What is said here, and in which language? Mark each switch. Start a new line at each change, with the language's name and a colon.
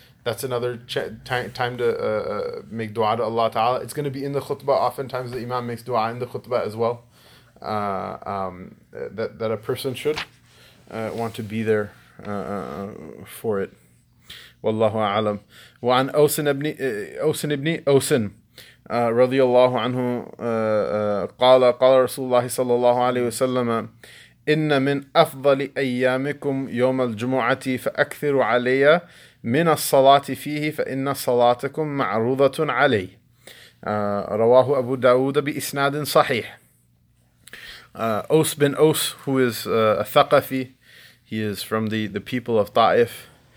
English: That's another time to make dua to Allah Ta'ala. It's going to be in the khutbah. Oftentimes the imam makes dua in the khutbah as well. That a person should want to be there for it.
Arabic: Wallahu a'lam. Wa an Awsan ibn Awsan. رضي الله عنه قال رسول الله صلى الله عليه وسلم إن من أفضل أيامكم يوم الجمعة فأكثروا علي من الصلاة فيه فإن صلاتكم معروضة علي رواه أبو داود بإسناد صحيح.
English: Aws bin Aws, who is a Thaqafi, he is from the people of Ta'if.